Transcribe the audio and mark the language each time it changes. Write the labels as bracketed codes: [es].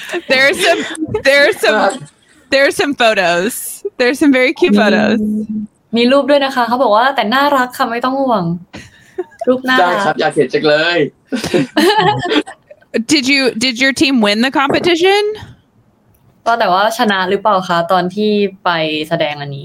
[en] there's some photos there's some very cute photos [th] มีรูปด้วยนะคะเขาบอกว่าแต่น่ารักค่ะไม่ต้องห่วงรูปน่ารัก ได้ครับอยากเห็นจังเลย [en] Did your team win the competition? [th] ก็แต่ว่าชนะหรือเปล่าคะตอนที่ไปแสดงอันนี